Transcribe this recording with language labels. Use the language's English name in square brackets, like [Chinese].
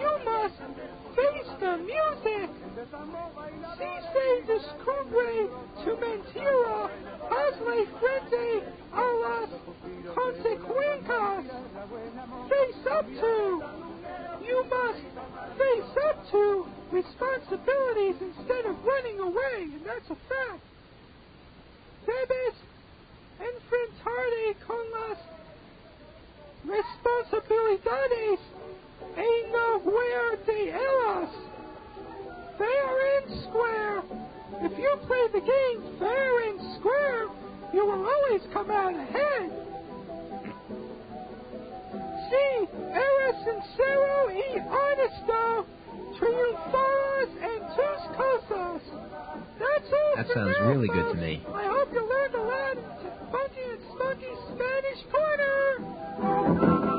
[Spanish] Si, se, descubre, tu mentira, hazle frente a las consecuencias. [English] Face up to, you must face up to responsibilities instead of running away, and that's a fact. [Spanish] Debes enfrentarte con las responsabilidades e no huir de ellas. [English] Fair and square. If you play the game fair and square, you will always come out ahead. [Spanish] Si eres sincero y honesto, triunfarás en tus cosas. [English] That's all. That sounds really good to me. I hope you learned a lot in Funky and Smoky Spanish Corner.